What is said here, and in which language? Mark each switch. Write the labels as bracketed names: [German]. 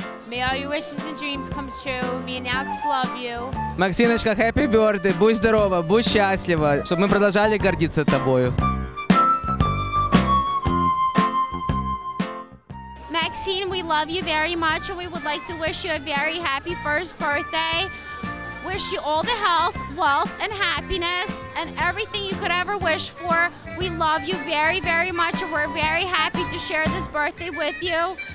[English] May all your wishes and dreams come true. Me and Alex love you. Максиночка, happy birthday. [Russian] Будь здорова, будь счастлива, чтобы мы продолжали гордиться тобою. [English] Maxine, we love you very much, and we would like to wish you a very happy first birthday. Wish you all the health, wealth, and happiness, and everything you could ever wish for. We love you very, very much, and we're very happy to share this birthday with you.